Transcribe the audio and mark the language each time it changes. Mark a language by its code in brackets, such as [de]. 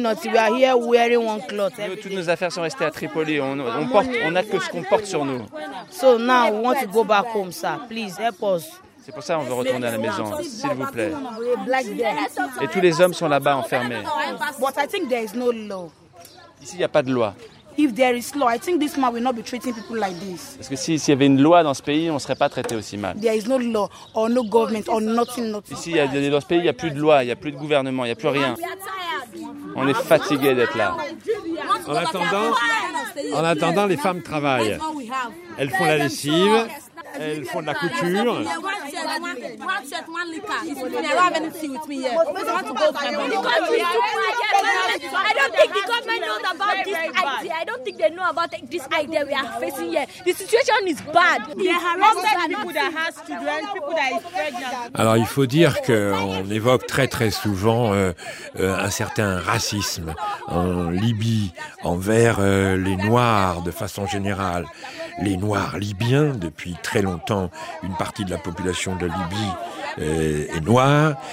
[en] Nothing. We are here wearing one cloth. [fr] Nous, toutes nos affaires sont restées à Tripoli. On porte. On a que ce qu'on porte sur nous. [en] So now we want to go back home, sir. Please help us. [fr] C'est pour ça qu'on veut retourner à la maison, s'il vous plaît. Et tous les hommes sont là-bas enfermés. [en] But I think there is no law. [fr] Ici, il n'y a pas de loi. [en] If there is law, I think this man will not be treating people like this. [fr] Parce que s'il y avait une loi dans ce pays, on ne serait pas traité aussi mal. [en] There is no law or no government or nothing, nothing. [fr] Ici, il y a, dans ce pays, il n'y a plus de loi, il n'y a plus de gouvernement, il n'y a plus rien. On est fatigué d'être là. En attendant, les femmes travaillent. Elles font la lessive. Elles font de la couture. [en] I don't think they know about this idea we are facing here. The situation is bad. [fr] Alors il faut dire qu'on évoque très très souvent un certain racisme en Libye envers les Noirs de façon générale. Les Noirs libyens, depuis très longtemps, une partie de la population de Libye est noire.